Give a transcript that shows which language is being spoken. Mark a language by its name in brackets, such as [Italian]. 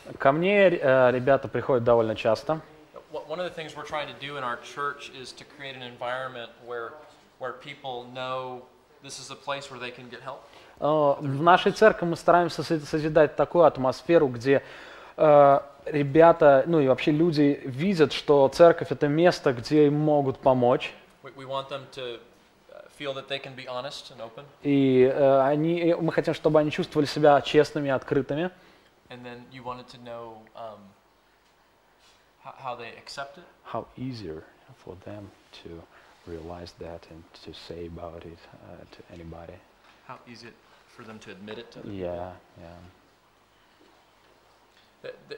[Russian] Ко мне ребята приходят довольно часто. [English] One of the things we're trying to do in our church is to create an environment where people know this is a place where they can get help. [Russian] В нашей церкви мы стараемся созидать такую атмосферу, где ребята, ну и вообще люди видят, что церковь это место, где им могут помочь. [English] We want them to feel that they can be honest and open. [Russian] И они, мы хотим, чтобы они чувствовали себя честными, открытыми. [English] And then you wanted to know how they accept it. How easier for them to realize that and to say about it to anybody. How easy it for them to admit it to them. Yeah, yeah.